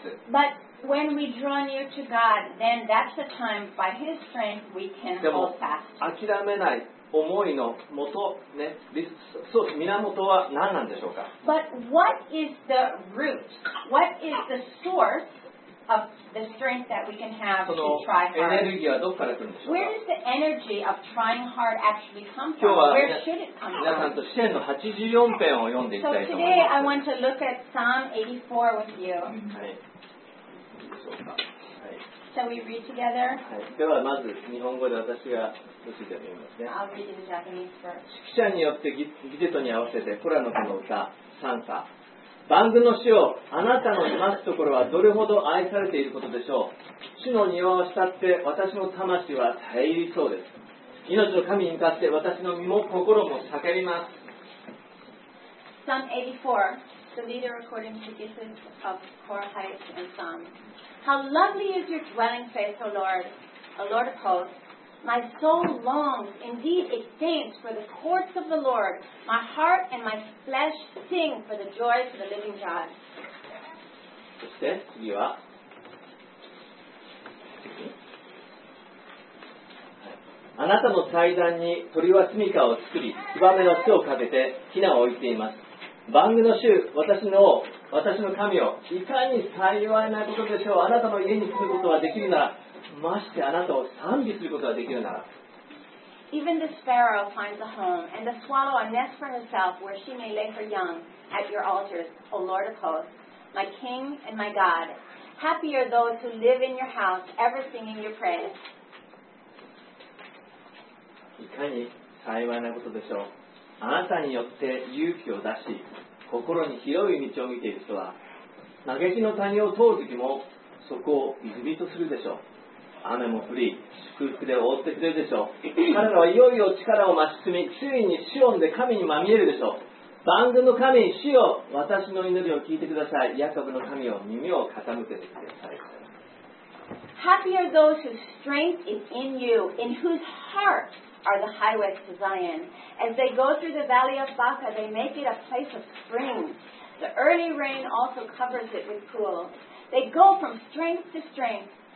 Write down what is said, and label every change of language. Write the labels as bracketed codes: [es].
[en] But when we draw near to God, then that's the time by His strength we can hold fast. [ja] 諦めない思いのもと、ね、そう、源は何なんでしょうか? [en] But what is the root? What is the source of the strength that we can have to try hard? [ja] そのエネルギーはどこから来るんでしょうか? [en] Where does the energy of trying hard actually come from? Where should it come from? [ja] 皆さんと詩篇の84篇を読んでいきたいと思います。 [en] So today I want to look at Psalm 84 with you. [ja] はい。 [en] Shall we read together? [ja] ではまず日本語で私が読みますね。 [en] I'll read in Japanese first. [ja] 指揮者によってギデトに合わせてコラノクの歌賛歌。万軍の主よ、あなたのいますところはどれほど愛されていることでしょう。主の庭を慕って私の魂は耐えりそうです。命の神に向かって私の身も心も叫びます。 [en] Psalm 84, the leader according to Gisus of Korahites and Psalm. How lovely is your dwelling place, O Lord, O Lord of hosts. My soul longs, indeed it faints for the courts of the Lord. My heart and my flesh sing for the joys of the living God. [ja] そして次は、あなたの祭壇に鳥は住みかを作り、ツバメの巣をかけて雛を置いています。万軍の主、私の神を、いかに幸いなことでしょう。あなたの家に住むことができるなら、ましてあなたを賛美することができるなら。 [en] Even the sparrow finds a home, and the swallow a nest for herself where she may lay her young at your altars, O Lord of hosts, my King and my God. Happy are those who live in your house, ever singing your praise. [ja] いかに幸いなことでしょう。あなたによって勇気を出し、心に広い道を見ている人は、嘆きの谷を通る時もそこを泉とするでしょう。雨も降り、祝福で覆ってくれるでしょう。彼らはいよいよ力を増し積み、ついにシオンで神にまみえるでしょう。万軍の神、主よ、私の祈りを聞いてください。ヤコブの神よ、耳を傾けてください。 [en] Happy are those whose strength is in you, in whose heart are the highways to Zion. As they go through the valley of Baca, they make it a place of spring. The early rain also covers it with pools. They go from strength to strength.